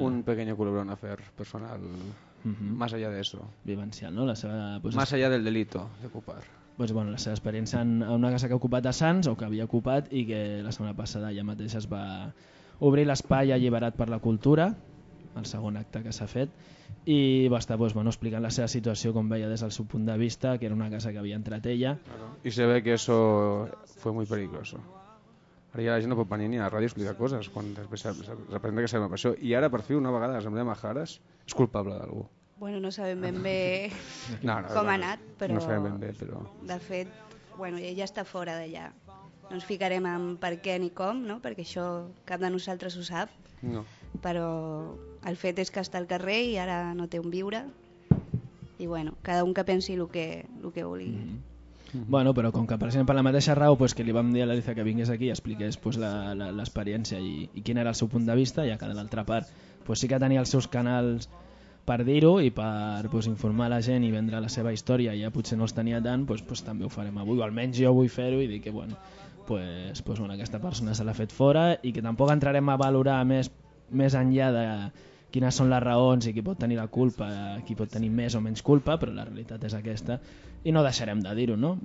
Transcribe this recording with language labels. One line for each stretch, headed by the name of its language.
Spanish: Un pequeño culebrón, un afer personal, más allá de eso.
Catalan: Vivencial, no? La seva,
Spanish: pues, más allá del delito de ocupar.
Catalan: Pues, bueno, la seva experiència en una casa que ha ocupat a Sants, o que havia ocupat, i que la setmana passada ja mateix es va obrir l'espai alliberat per la cultura... el segon acte que s'ha fet, i va estar pues, bueno, explicant la seva situació, com veia des del seu punt de vista, que era una casa que havia entrat ella.
Spanish: I se ve que eso fue muy peligroso.
Catalan: Ara ja la gent no pot venir ni a la ràdio a explicar coses, quan després s'aprenta que sabem això. I ara, per fi, una vegada, l'Assemblea Majares és culpable d'algú. Bueno, no sabem ben bé com ha anat, però... No sabem ben bé, però... De fet, bueno, ella està fora d'allà. No ens ficarem en per què ni com, no? Perquè això cap de nosaltres ho sap. No. Però el fet és que està al carrer i ara no té on viure. I bueno, cada un que pensi el que vulgui. Mm-hmm. Mm-hmm. Bueno, però com que apareixem per la mateixa raó, pues, que li vam dir a l'Alisa que vingués aquí i expliqués pues, l'experiència i quin era el seu punt de vista, i a cada altra part pues, sí que tenia els seus canals per dir-ho i per pues, informar la gent i vendre la seva història, i ja potser no els tenia tant, pues, també ho farem avui. O almenys jo vull fer-ho i dir que bueno, pues, bueno, aquesta persona se l'ha fet fora i que tampoc entrarem a valorar més enllà de quines són les raons i qui pot tenir la culpa, qui pot tenir més o menys culpa, però la realitat és aquesta i no deixarem de dir-ho, no?